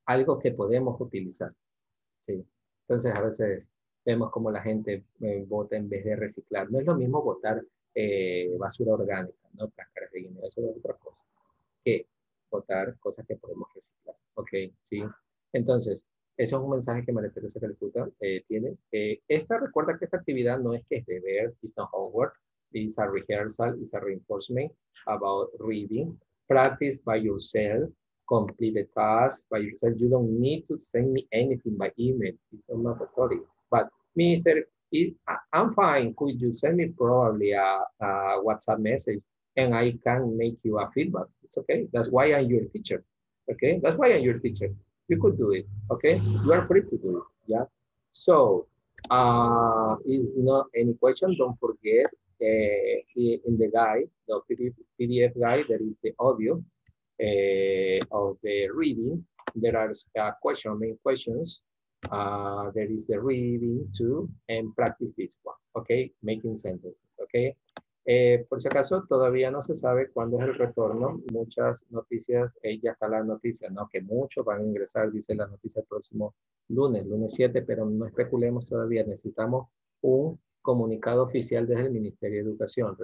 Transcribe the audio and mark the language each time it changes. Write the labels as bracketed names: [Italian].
[Spanish] Algo que podemos utilizar, ¿sí? Entonces, a veces vemos cómo la gente bota en vez de reciclar. No es lo mismo botar basura orgánica, ¿no? Cáscaras de guineo, eso es otra cosa. Que botar cosas que podemos reciclar, ¿ok? ¿Sí? Entonces, eso es un mensaje que María Teresa Calcuta tiene. Recuerda que esta actividad no es que es deber, [English] it's not homework. It's a rehearsal, it's a reinforcement about reading. Practice by yourself, complete the task by yourself. You don't need to send me anything by email. It's not mandatory. But, Mr., I'm fine. Could you send me probably a WhatsApp message and I can make you a feedback? It's okay. That's why I'm your teacher. Okay? That's why I'm your teacher. You could do it. Okay? You are free to do it. Yeah? So, if not any question, don't forget. In the guide, the PDF guide, there is the audio of the reading. There are main questions. There is the reading too, and practice this one. Okay, making sentences. Okay. [Spanish] Por si acaso, todavía no se sabe cuándo es el retorno. Muchas noticias, ya está la noticia, ¿no? Que muchos van a ingresar, dice la noticia, el próximo lunes 7, pero no especulemos todavía. Necesitamos un comunicado oficial desde el Ministerio de Educación.